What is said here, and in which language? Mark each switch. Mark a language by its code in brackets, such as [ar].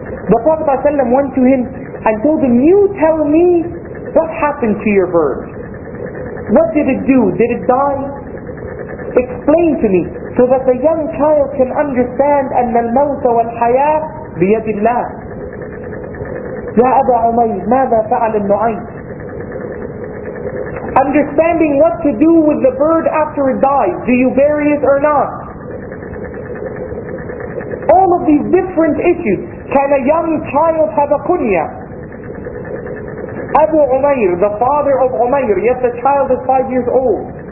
[en] The Prophet ﷺ went to him and told him, you tell me what happened to your bird. What did it do? Did it die? Explain to me so that the young child can understand [ar] أن الموت والحياة بيد الله. يا أبا عمير ماذا فعل النعيم. [en] Understanding what to do with the bird after it dies. Do you bury it or not? All of these different issues. Can a young child have a kunya? Abu Umayr, the father of Umayr, yet the child is 5 years old.